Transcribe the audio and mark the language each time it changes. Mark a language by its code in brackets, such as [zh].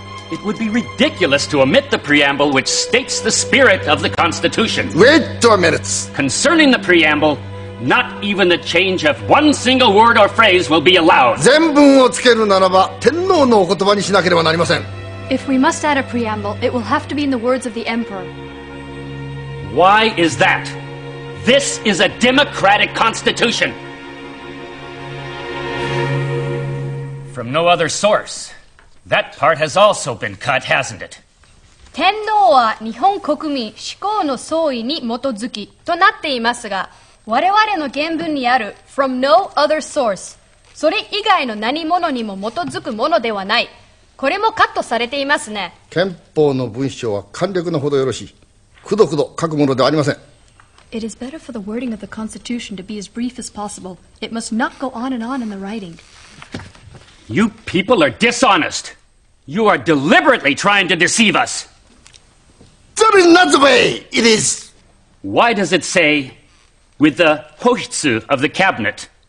[en] It would be ridiculous to omit the preamble which states the spirit of the Constitution. Wait 2 minutes. Concerning the preamble, not even the change of one single word or phrase will be allowed. [ja] 全文をつけるならば天皇のお言葉にしなければなりません。 [en] If we must add a preamble, it will have to be in the words of the emperor. Why is that? This is a democratic constitution. From no other source. That part has also been cut, hasn't it? [ja] 天皇は日本国民思考の総意に基づきとなっていますが、我々の原文にある [en] from no other source、 [ja] それ以外の何者にも基づくものではない。これもカットされていますね。憲法の文章は簡略なほどよろしい。くどくど書くものではありません。 [en] It is better for the wording of the Constitution to be as brief as possible. It must not go on and on in the writing. You people are dishonest. You are deliberately trying to deceive us. That is not the way it is. Why does it say, with the hoshitsu of the cabinet?